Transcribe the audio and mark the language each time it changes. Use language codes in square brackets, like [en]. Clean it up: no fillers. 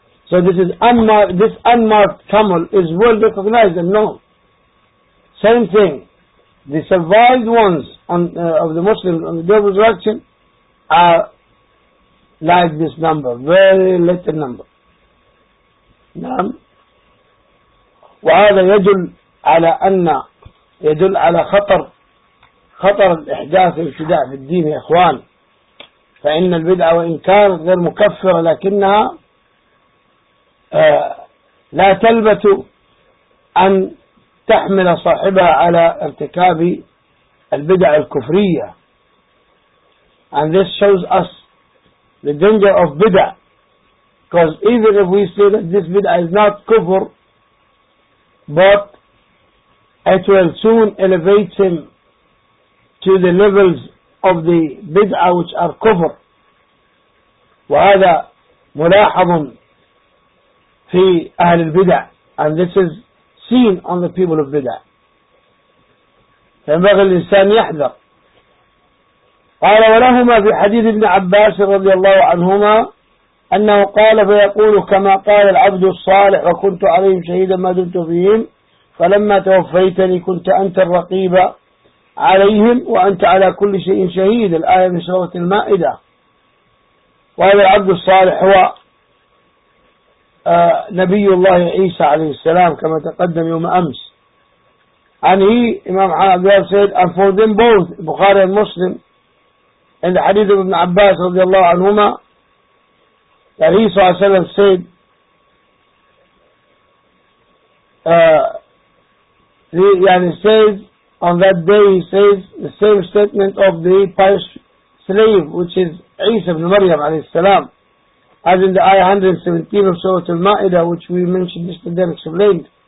[en] So this is unmarked camel is well recognized and known. Same thing, the survived ones of the Muslims on the Day of Resurrection are like this number, very little number. [ar] نعم. وهذا يدل على أن يدل على خطر الإحداث والابتداع في الدين يا إخوان. فإن البدعة وإن كانت غير مكفرة لكنها لا تلبث أن تحمل صاحبها على ارتكاب البدع الكفرية. [en] And this shows us the danger of bid'ah. Because even if we say that this bid'ah is not kufr, but it will soon elevate him to the levels of the bid'ah which are kufr. [ar] وهذا ملاحظ في أهل البدع. [en] And this is seen on the people of bid'ah. [ar] فينبغي الإنسان يحذر. قال ولهما في حديث ابن عباس رضي الله عنهما أنه قال فيقول كما قال العبد الصالح وكنت عليهم شهيدا ما دمت فيهم فلما توفيتني كنت أنت الرقيب عليهم وأنت على كل شيء شهيد. الآية من سورة المائدة. وهذا العبد الصالح هو نبي الله عيسى عليه السلام كما تقدم يوم أمس. [en] And he, Imam Abdullah said, and for them both, Bukhari and Muslim, in the hadith of Ibn Abbas [ar] رضي الله عنهما, [en] that he [ar] صلى الله عليه وسلم [en] said, he said, on that day he says the same statement of the pious slave, which is Isa ibn Maryam [ar] عليه السلام, [en] as in the ayah 117 of Surah Al-Ma'idah, which we mentioned yesterday and explained.